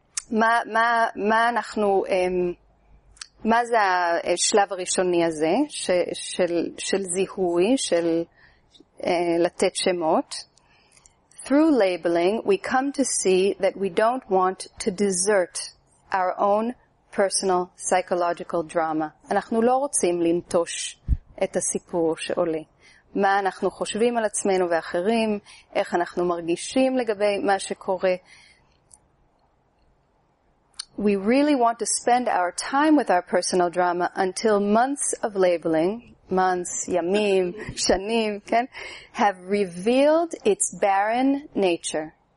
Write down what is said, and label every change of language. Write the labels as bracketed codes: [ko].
[he] מה אנחנו, מה זה השלב הראשוני הזה של זיהוי, של לתת שמות? [en] Through labeling, we come to see that we don't want to desert our own personal psychological drama. [he] אנחנו לא רוצים לנטוש את הסיפור שעולה. מה אנחנו חושבים על עצמנו ואחרים, איך אנחנו מרגישים לגבי מה שקורה. [en] We really want to spend our time with our personal drama until months of labeling, months, [he] ימים, שנים, כן, [en] have revealed its barren nature.